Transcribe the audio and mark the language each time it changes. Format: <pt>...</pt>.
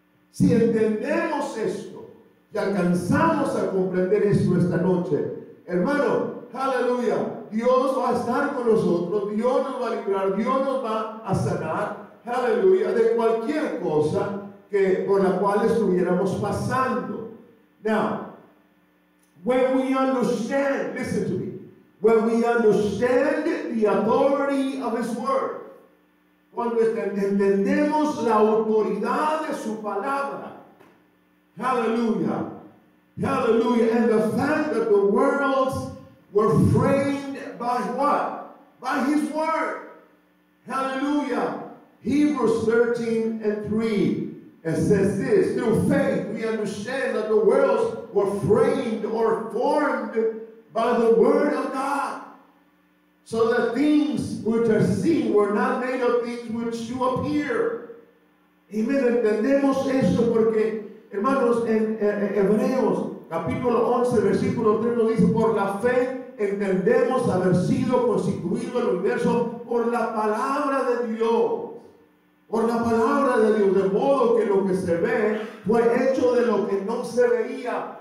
<es>Si entendemos esto, y alcanzamos a comprender esto esta noche, hermano, aleluya, Dios va a estar con nosotros, Dios nos va a librar, Dios nos va a sanar, aleluya, de cualquier cosa que por la cual estuviéramos pasando.</es> <en>Now, when we understand, listen to me, when we understand the authority of His Word,</en> <es>cuando entendemos la autoridad de su palabra,</es> <en>hallelujah, hallelujah, and the fact that the worlds were framed by what? By His Word. Hallelujah. Hebrews 13 and 3. It says this: through faith we understand that the worlds were framed or formed by the Word of God, so that things which are seen were not made of things which do appear. Amen.</en> <es>Entendemos eso porque, hermanos, en Hebreos, capítulo 11, versículo 3, nos dice: por la fe entendemos haber sido constituido el universo por la palabra de Dios. Por la palabra de Dios, de modo que lo que se ve fue hecho de lo que no se veía.</es>